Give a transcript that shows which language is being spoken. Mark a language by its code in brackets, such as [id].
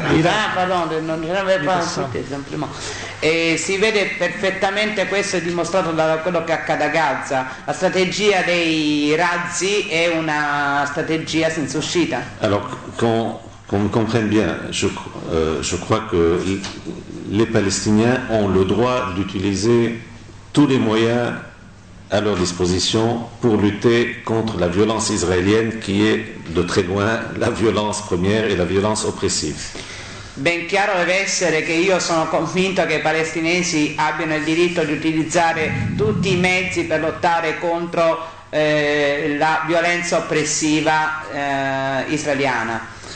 [fr] Non, je n'avais pas insulté, simplement. [it] Et si vede perfettamente, questo è dimostrato da quello che accade a Gaza. La strategia dei razzi è una strategia senza uscita. [fr] Alors, qu'on me comprenne bien, je crois que les Palestiniens ont le droit d'utiliser tous les moyens à leur disposition pour lutter contre la violence israélienne qui est de très loin la violence première et la violence oppressive. [it] Ben chiaro deve essere che io sono convinto che i palestinesi abbiano il diritto di utilizzare tutti i mezzi per lottare contro la violenza oppressiva israeliana.